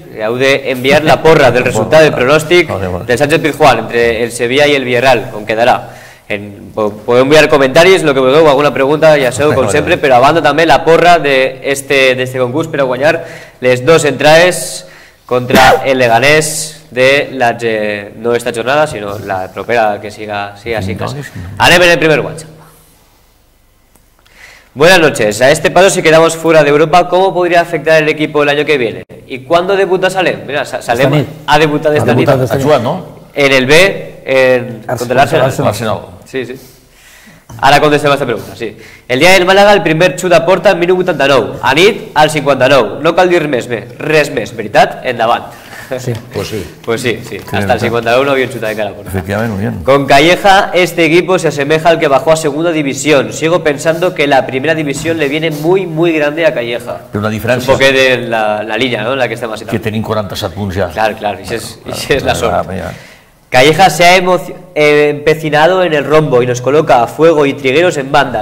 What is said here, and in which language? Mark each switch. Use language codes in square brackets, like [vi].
[ca] Heu d'enviar la porra del resultat del pronòstic del Sánchez Pizjuán entre el Sevilla i el Villarreal, on quedarà. Podeu enviar comentaris, el que vulgueu, alguna pregunta, ja sabeu, com sempre, però a banda també la porra d'este concurs per a guanyar les dues entrades contra el Leganés de la, no esta jornada, sino la propera que siga así en casa. Anem en el primer WhatsApp. [es] Buenas noches. A este paso, si quedamos fuera de Europa, ¿cómo podría afectar el equipo el año que viene? ¿Y cuándo debuta Salem? Mira, Salem ha debutado esta noche. ¿Ha jugado, no? En el B, contra el Arsenal. Arsenal. Sí, sí. Ahora contestemos esta pregunta, sí. [ca] El día del Málaga, el primer xut a porta, minut 89. Anit, al 59. No cal dir més, res més, veritat, endavant. [es] Sí, pues sí. Pues sí, sí. Sí, hasta el 59 bien chuta de cara. Efectivamente, muy bien. Con Calleja, este equipo se asemeja al que bajó a segunda división. Sigo pensando que la primera división le viene muy, muy grande a Calleja. Pero una diferencia... Supongo que de la línea, ¿no?, en la que estamos. [ca] Que tenim 47 punts ja. [es] Claro, claro, y es la sorte. Calleja se ha empecinado en el rombo y nos coloca a Fuego y Trigueros en banda.